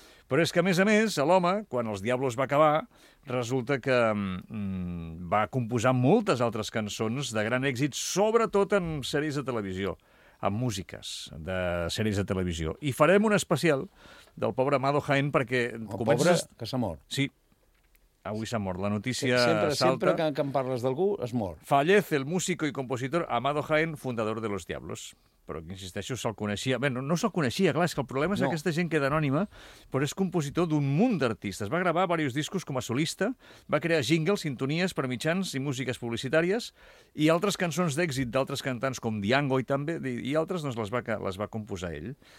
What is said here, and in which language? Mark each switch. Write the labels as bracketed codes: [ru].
[ca] Però és que, a més, l'home, quan Los Diablos va acabar, resulta que va composar moltes altres cançons de gran èxit, sobretot en sèries de televisió. Amb músiques de sèries de televisió. I farem un especial del pobre Amado Jaén perquè... pobre, que s'ha mort. Sí, avui s'ha mort. La notícia salta... Sempre que en parles d'algú, es mor. [es] Fallece el músico i compositor Amado Jaén, fundador de Los Diablos. [ca] Però, insisteixo, se'l coneixia... Bé, no se'l coneixia, clar, és que el problema és que aquesta gent queda anònima, però és compositor d'un munt d'artistes. Va gravar diversos discos com a solista, va crear jingles, sintonies per mitjans i músiques publicitàries i altres cançons d'èxit d'altres cantants com Diango i també, i altres, doncs, les va composar ell.